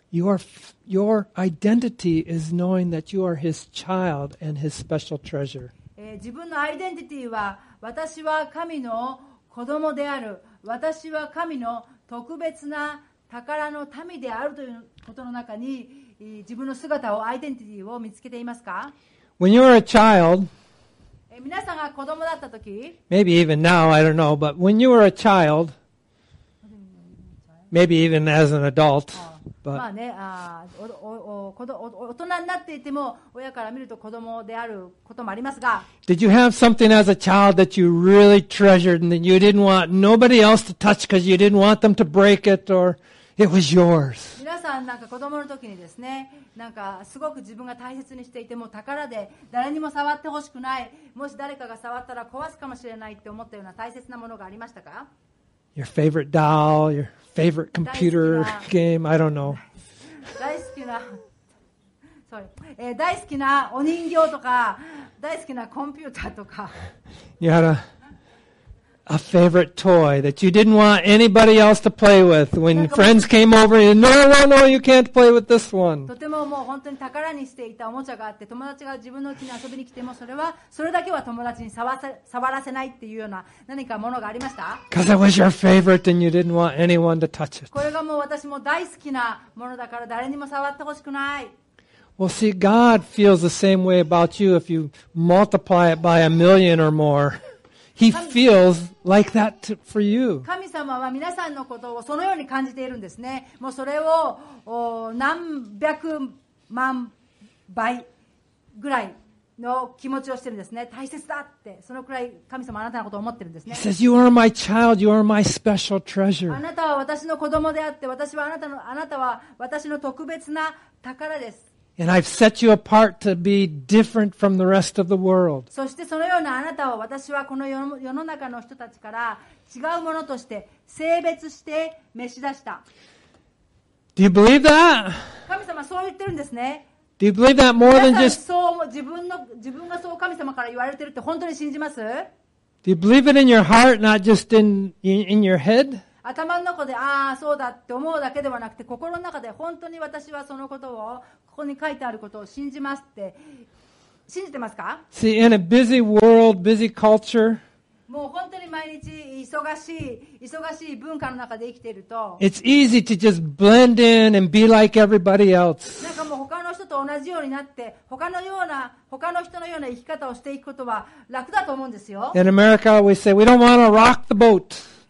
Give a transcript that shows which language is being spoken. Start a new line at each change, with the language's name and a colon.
English: your identity is knowing that you are His child and His special treasure.
Japanese: 自分のアイデンティティは、私は神の子供である、私は神の特別な宝の民であるということの中に、自分の姿を、アイデンティティを見つけていますか?
English: When you are a child,
Japanese: 皆さんが子供だったとき、
English: maybe even now, I don't know, but when you are a child,Maybe even as an adult, but.
Japanese: まあね、大人になっていても親から見ると子供であることもありますが。
English: Did you have something as a child that you really treasured and that you didn't want nobody else to touch because you didn't want them to break it or it was yours?
Japanese: 皆さんなんか子供の時にですね、なんかすごく自分が大切にしていても宝で誰にも触ってほしくない、もし誰かが触ったら壊すかもしれないって思ったような大切なものがありましたか？
English: Your favorite doll, your favorite computer game, I don't know.
Japanese: 大好きな、sorry, 大好きなお人形とか、大好きなコンピューターとか。
English: You had a favorite toy that you didn't want anybody else to play with. When friends came over, you said, no, you can't play with this one.
Japanese: とてももう本当に宝にしていたおもちゃがあって、友達が自分の家に遊びに来ても、それだけは友達に触らせないっていうような何かものがありました?
English: Because it was your favorite and you didn't want anyone to touch it.
Japanese: これがもう私も大好きなものだから誰にも触ってほしくない。
English: Well, see, God feels the same way about you if you multiply it by a million or more. He feels like that for you.
Japanese: 神様は皆さんのことをそのように感じているんですね。もうそれを何百万倍ぐらいの気持ちをしてるんですね。大切だって、そのくらい神様はあなたのことを思ってるんですね。
English: He says, you are my child, you are my special treasure.
Japanese: あなたは私の子供であって、私はあなたは私の特別な宝です。
English: And I've set you apart to be different from the rest of the world.
Japanese: そしてそのようなあなたを私はこの世の中の人たちから違うものとして性別して召し出した。
English: Do you believe that?
Japanese: 神様そう言ってるんですね。
English: Do you believe that more than just?
Japanese: 皆さんそう自分がそう神様から言われてるって本当に信じます?
English: Do you believe it in your heart, not just in your head?
Japanese: 頭の中でああそうだって思うだけではなくて心の中で本当に私はそのことをここに書いてあることを信じますって信じてますか?
English: See, in a busy world, busy culture,
Japanese: もう本当に毎日忙しい忙しい文化の中で生きていると
English: It's easy to just blend in and be like everybody else.
Japanese: なんかもう他の人と同じようになって他のような他の人のような生き方をしていくことは楽だと思うんですよ。
English: In America, we say we don't want to rock the boat.